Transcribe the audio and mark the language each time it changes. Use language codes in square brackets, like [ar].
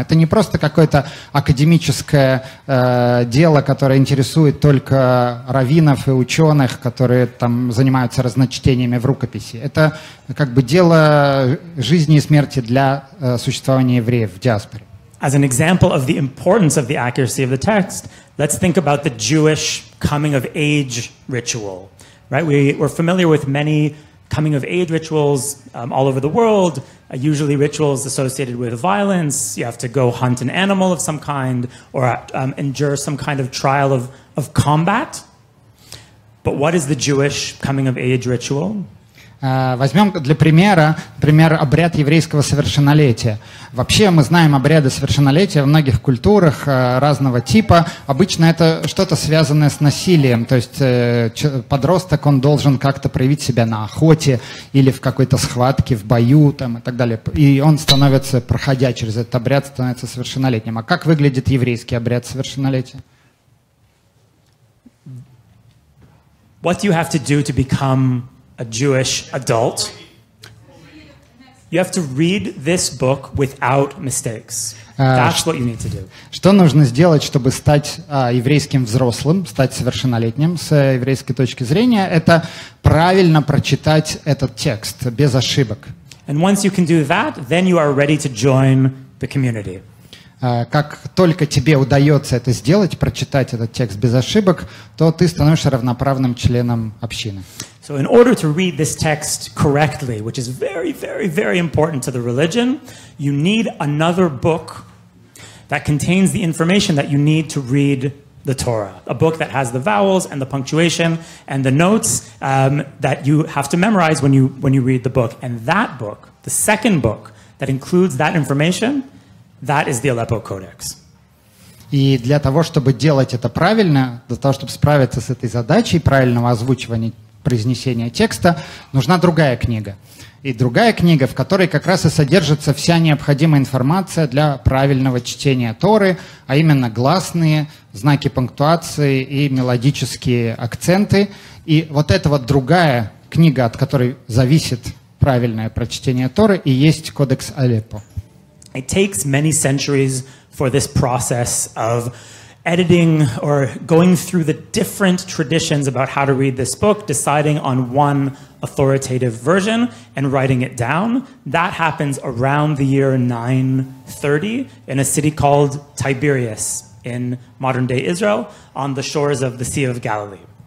[ru] Это не просто какое-то академическое дело, которое интересует только раввинов и ученых, которые там занимаются разночтениями в рукописи. Это как бы дело жизни и смерти для существования евреев в диаспоре. [en] As an example of the importance of the accuracy of the text, let's think about the Jewish coming of age ritual. Right? We're familiar with many coming of age rituals all over the world, usually rituals associated with violence. You have to go hunt an animal of some kind or endure some kind of trial of combat. But what is the Jewish coming of age ritual? [ru] Возьмем для примера, например, обряд еврейского совершеннолетия. Вообще мы знаем обряды совершеннолетия в многих культурах разного типа. Обычно это что-то связанное с насилием, то есть подросток, он должен как-то проявить себя на охоте или в какой-то схватке, в бою там, и так далее. И он становится, проходя через этот обряд, становится совершеннолетним. А как выглядит еврейский обряд совершеннолетия? [en] What do you have to do to become a Jewish adult? You have to read this book without mistakes. That's what you need to do. [ru] Что нужно сделать, чтобы стать еврейским взрослым, стать совершеннолетним с еврейской точки зрения? Это правильно прочитать этот текст без ошибок. [en] And once you can do that, then you are ready to join the community. [ru] Как только тебе удается это сделать, прочитать этот текст без ошибок, то ты становишься равноправным членом общины. [en] So in order to read this text correctly, which is very, very, very important to the religion, you need another book that contains the information that you need to read the Torah. A book that has the vowels and the punctuation and the notes that you have to memorize when you read the book. And that book, the second book that includes that information, that is the Aleppo Codex. [ru] И для того, чтобы делать это правильно, для того, чтобы справиться с этой задачей правильного озвучивания, произнесения текста, нужна другая книга. И другая книга, в которой как раз и содержится вся необходимая информация для правильного чтения Торы, а именно гласные, знаки пунктуации и мелодические акценты. И вот эта вот другая книга, от которой зависит правильное прочтение Торы, и есть Кодекс Алеппо. [en] It takes many centuries for this process of editing or going through the different traditions about how to read this book, deciding on one authoritative version and writing it down. That happens around the year 930 in a city called Tiberias in modern-day Israel on the shores of the Sea of Galilee.